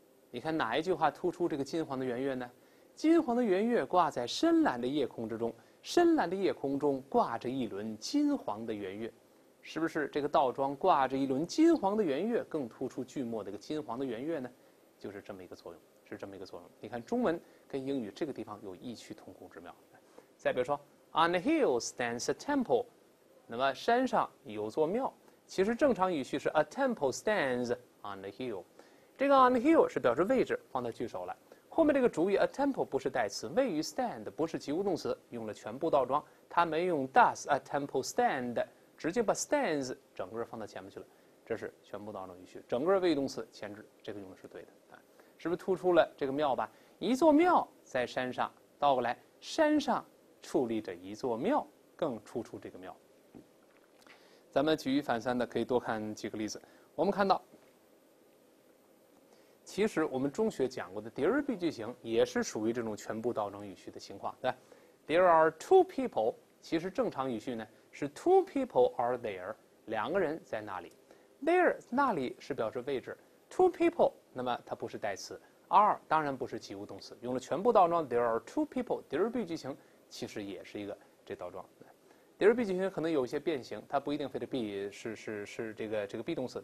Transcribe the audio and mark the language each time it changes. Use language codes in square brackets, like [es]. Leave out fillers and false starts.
[zh] 你看哪一句话突出这个金黄的圆月呢？金黄的圆月挂在深蓝的夜空之中，深蓝的夜空中挂着一轮金黄的圆月，是不是这个倒装挂着一轮金黄的圆月更突出句末的一个金黄的圆月呢？就是这么一个作用，是这么一个作用。你看中文跟英语这个地方有异曲同工之妙。再比如说 [en] On the hill stands a temple， [zh] 那么山上有座庙，其实正常语序是 [en] A temple stands on the hill。 [zh] 这个 [en] on the hill [zh] 是表示位置，放在句首了。后面这个主语 a temple 不是代词，位于 stand 不是及物动词，用了全部倒装，它没用 [en] does a temple stand， [zh] 直接把 stands 整个放到前面去了。这是全部倒装语序，整个谓语动词前置，这个用的是对的啊。是不是突出了这个庙吧？一座庙在山上，倒过来，山上矗立着一座庙，更突出这个庙。咱们举一反三的，可以多看几个例子。我们看到，其实我们中学讲过的 there be 句型也是属于这种全部倒装语序的情况，对吧？ [en] There are two people， [zh] 其实正常语序呢是 [en] two people are there， [zh] 两个人在那里。 there 那里是表示位置， two people 那么它不是代词， are 当然不是及物动词，用了全部倒装 [en] there are two people， [zh] there be 句型其实也是一个这倒装。 there be 句型可能有一些变形，它不一定非得 be 是这个 be 动词。